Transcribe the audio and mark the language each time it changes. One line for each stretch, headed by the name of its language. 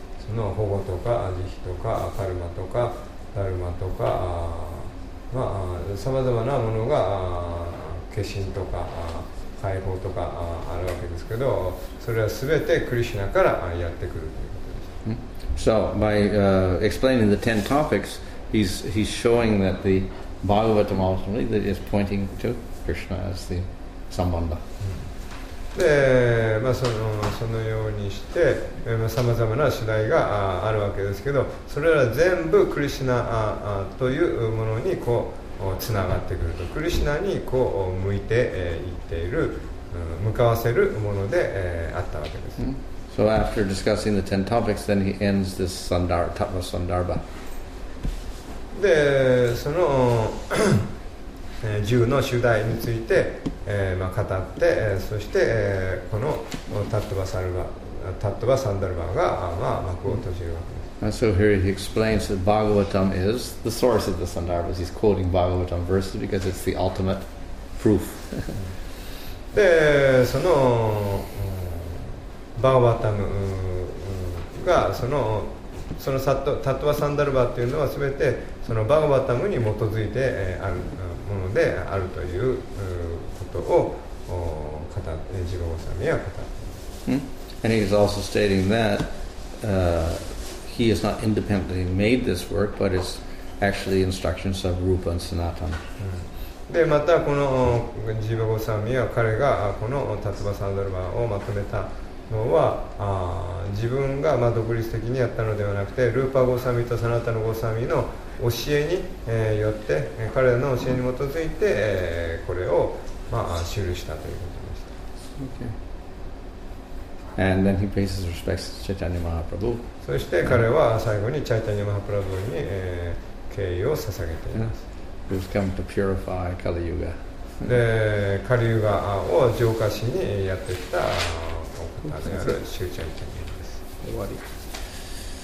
Japanese: その保護とか慈悲とかカルマとかダルマとか、まあ、さまざまなものが化身とか解放とかあるわけですけど、それはすべてクリシュナからやってくるということです。
English: So by explaining the ten topics, he's showing that the Bhagavatam ultimately that is pointing to Krishna as the Sambandha.
Japanese: で、まあそのようにして、さまざまな主題があるわけですけど、それら全部クリシュナというものにこう。つながってくると、クリシナにこう向いて、いっている、向かわせるもので、あったわけです。
English: So after discussing the ten topics, then he ends this sandar, tattva sandarbha.
Japanese: で、その十の主題について、まあ、語って、そして、このtattva sandarbhaが、まあ、幕を閉じるわけです。
English: And so here he explains that Bhagavatam is the source of the Sandarbhas. He's quoting Bhagavatam verses because it's the ultimate proof.
Japanese: で、その、バガヴァタムが、その、タトゥアサンダルバっていうのは全て、そのバガヴァタムに基づいてあるものであるということを、ジゴゴサミは語っています。
English: And he's also stating that, He is not independently made this work, but it's actually instructions of Rupa and Sanatana.
Japanese: で、またこのジーバゴサミは彼がこのタツバサンダルバをまとめたのは、自分が独立的にやったのではなくて、ルーパゴサミとサナタのゴサミの教えによって、彼らの教えに基づいてこれを記したということでした。
English: Okay. And then he pays his respects to Chaitanya Mahaprabhu.
Japanese: そして彼は最後にチャイタニマハプラブに敬意を捧げています。
English: He's come to purify Kali Yuga.
Japanese: で、カリユガを浄化しにやってきたお方であるシューチャイタニマです。